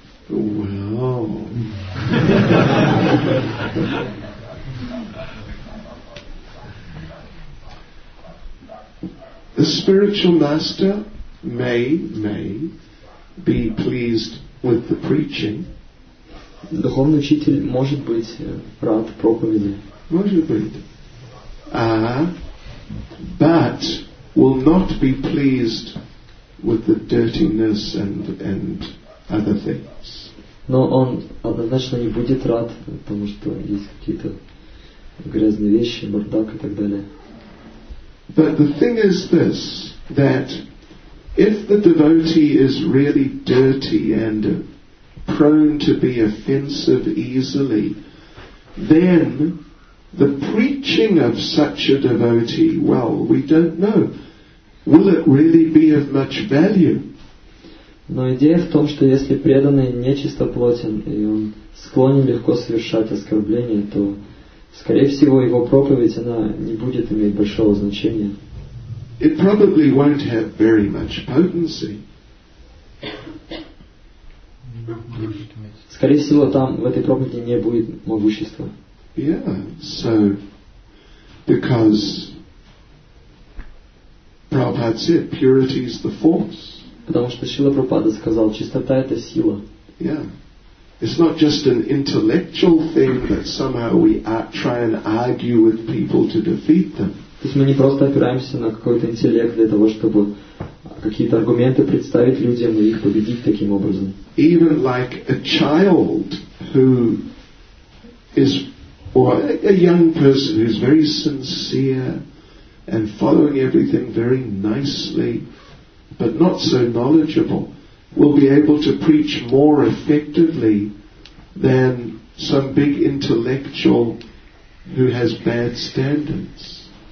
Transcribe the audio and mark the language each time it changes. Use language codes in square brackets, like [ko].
[en] Well, the spiritual master may be pleased with the preaching. [ru] Духовный учитель может быть рад проповеди. Может быть. [en] But will not be pleased with the dirtiness and other things. [ru] Но он однозначно не будет рад, потому что есть какие-то грязные вещи, бардак и так далее. [en] But the thing is this, that if the devotee is really dirty and prone to be offensive easily, then the preaching of such a devotee, well, we don't know. Will it really be of much value? [ru] Но идея в том, что если преданный нечистоплотен и он склонен легко совершать оскорбления, то, скорее всего, его проповедь она не будет иметь большого значения. [en] It probably won't have very much potency. [ru] Скорее всего, там в этой проповеди не будет могущества. [en] Yeah, so because Prabhupada said purity is the force. [ru] Потому что Шрила Прабхупада сказал, чистота это сила. [en] Yeah, it's not just an intellectual thing that somehow we try and argue with people to defeat them. [ru] То есть мы не просто опираемся на какой-то интеллект для того, чтобы какие-то аргументы представить людям и их победить таким образом. [en] Even like a child who is, or a young person who is very sincere and following everything very nicely, but not so knowledgeable, will be able to preach more effectively than some big intellectual who has bad standards.